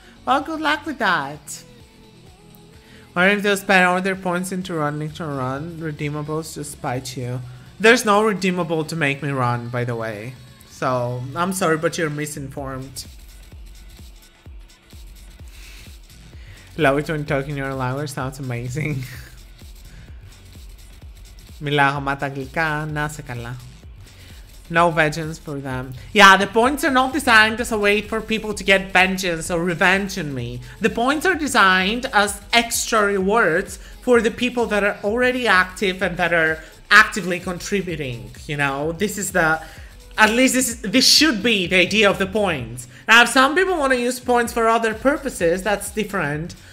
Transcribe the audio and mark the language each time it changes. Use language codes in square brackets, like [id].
[en] Well, good luck with that. Or if they'll spend all their points into run, Nicktron run, redeemables to spite you. There's no redeemable to make me run, by the way. So, I'm sorry, but you're misinformed. Love it when talking your language, sounds amazing. [el] Μιλάω μα τα αγγλικά, να σε καλά. [en] No vengeance for them. Yeah, the points are not designed as a way for people to get vengeance or revenge on me. The points are designed as extra rewards for the people that are already active and that are actively contributing, you know? This is the... At least this should be the idea of the points. Now, if some people want to use points for other purposes, that's different.